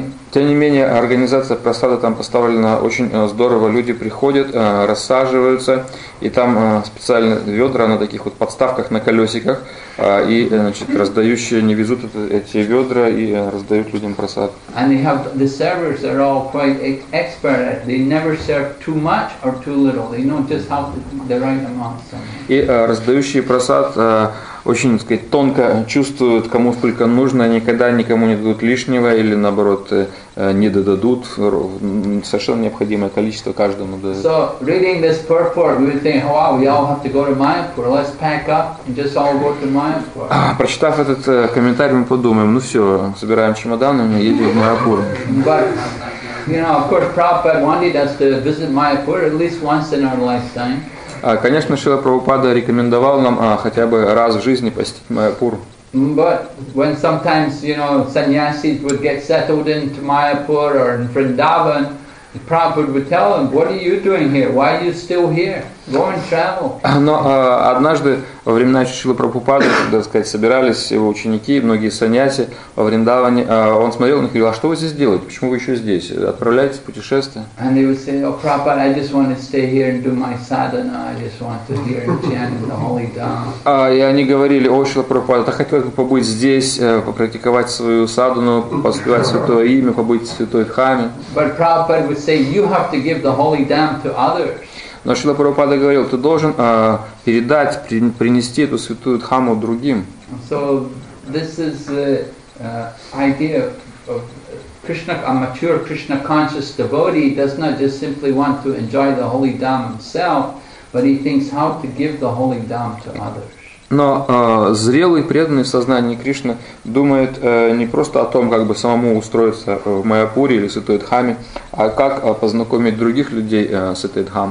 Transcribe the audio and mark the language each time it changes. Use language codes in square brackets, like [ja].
[ru] Тем не менее, организация просада там поставлена очень здорово. Люди приходят, рассаживаются, и там специально ведра на таких вот подставках на колесиках, и раздающие не везут эти ведра и раздают людям просад. [en] And they have the servers are all quite expert. They never serve too much or too little. They know just how the right amount. [ru] И раздающие просад очень, тонко чувствуют, кому сколько нужно, никогда никому не дадут лишнего или, наоборот, не додадут. Совершенно необходимое количество каждому дают. [en] So, reading this purport, we think, wow, we all have to go to Mayapur, let's pack up and just all go to Mayapur. [ru] Прочитав этот комментарий, мы подумаем, собираем чемоданы и едем в Майяпур. [en] But, you know, of course, Prabhupada wanted us to visit Mayapur at least once in our lifetime. [ru] Конечно, Шрила Прабхупада рекомендовал нам хотя бы раз в жизни посетить Майяпур. [en] But when sometimes, you know, sannyasis would get settled into Mayapur or in Vrindavan, Prabhupada would tell them, "What are you doing here? Why are you still here? Go and travel." [ru] Но однажды во времена Шрилы Прабхупады, собирались его ученики, многие саньяси во Вриндаване, он смотрел на них и говорил, "А что вы здесь делаете? Почему вы еще здесь? Отправляетесь в путешествие?" [en] And they would say, "Oh, Prabhupada, I just want to stay here and do my sadhana. I just want to hear and chant the holy dhamma." [ru] И они говорили, "О, Шрила Прабхупада, я хотел бы побыть здесь, попрактиковать свою садхану, поспевать святое имя, побыть в святой дхамме." [en] But Prabhupada would say, "You have to give the holy dhamma to others." [ru] Но Шрила Прабхупада говорил, ты должен передать, принести эту святую дхамму другим. [en] So this is the idea of Krishna, a mature Krishna conscious devotee does not just simply want to enjoy the holy dhamma himself, but he thinks how to give the holy dhamma to others. [ru] Но зрелый, преданный в сознании Кришны думает не просто о том, как бы самому устроиться в Майяпуре или Святой Дхамме, а как познакомить других людей с этой